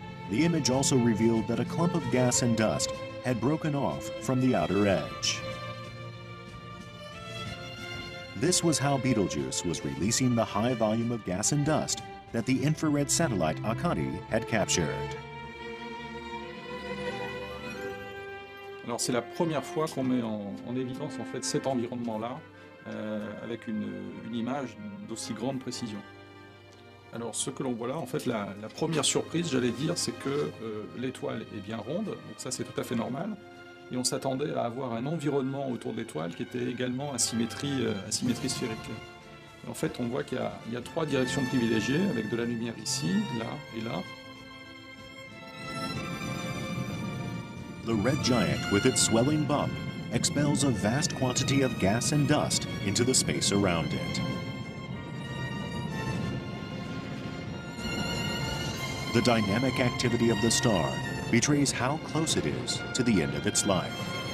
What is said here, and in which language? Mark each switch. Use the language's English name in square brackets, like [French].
[English] The image also revealed that a clump of gas and dust had broken off from the outer edge. This was how Betelgeuse was releasing the high volume of gas and dust that the infrared satellite Akari had captured. [French] Alors c'est la première fois qu'on met en évidence en fait cet environnement-là avec une image d'aussi grande précision. Alors ce que l'on voit là, en fait la première surprise, j'allais dire, c'est que l'étoile est bien ronde, donc ça c'est tout à fait normal. Et on s'attendait à avoir un environnement autour de l'étoile qui était également asymétrie sphérique. Et en fait, on voit qu'il y a trois directions privilégiées avec de la lumière ici, là et là. [English] The red giant with its swelling bump expels a vast quantity of gas and dust into the space around it. The dynamic activity of the star betrays how close it is to the end of its life.